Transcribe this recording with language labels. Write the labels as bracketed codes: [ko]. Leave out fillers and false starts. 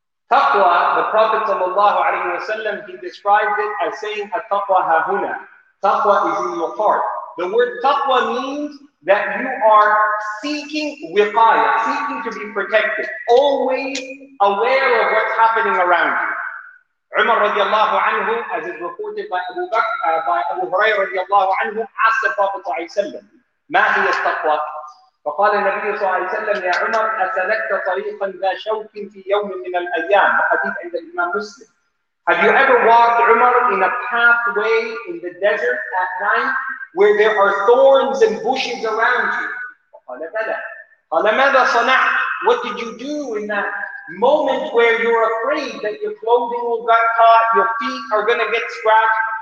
[en] Taqwa, the Prophet sallallahu alaihi wasallam, he described it as saying a taqwa hahuna. Taqwa is in your heart. The word taqwa means that you are seeking wiqaya, seeking to be protected, always aware of what's happening around you. Umar radiallahu anhu, as is reported by Abu Bakr, by Abu Hurairah radiallahu anhu, asked the Prophet [ar] صلى الله عليه وسلم, ما هي التقوى؟ فقال النبي صلى الله عليه وسلم, يا عمر, أسلكت طريقا ذا شوك في يوم من الأيام؟ حديث عند الإمام مسلم. [en] Have you ever walked, Umar, in a pathway in the desert at night where there are thorns and bushes around you? [ar] فقال بلى. قال ماذا صنعت? [en] What did you do in that moment where you're afraid that your clothing will get caught, your feet are going to get scratched?